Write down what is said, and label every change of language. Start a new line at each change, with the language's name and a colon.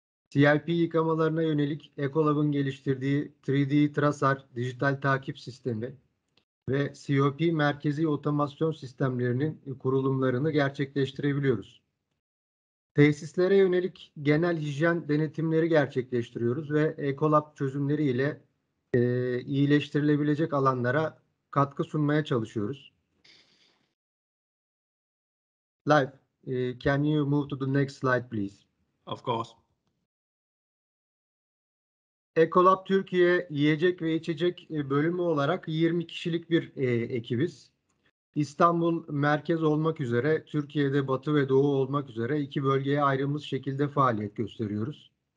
Turkish: CLP yıkamalarına yönelik Ecolab'ın geliştirdiği 3D Tracer dijital takip sistemi ve COP merkezi otomasyon sistemlerinin kurulumlarını gerçekleştirebiliyoruz. Tesislere yönelik genel hijyen denetimleri gerçekleştiriyoruz ve Ecolab çözümleri ile iyileştirilebilecek alanlara katkı sunmaya çalışıyoruz.
English: Leif, can you move to the next slide, please? Of course.
Turkish: Ecolab Türkiye Yiyecek ve İçecek bölümü olarak 20 kişilik bir ekibiz. İstanbul merkez olmak üzere Türkiye'de batı ve doğu olmak üzere iki bölgeye ayrılmış şekilde faaliyet gösteriyoruz.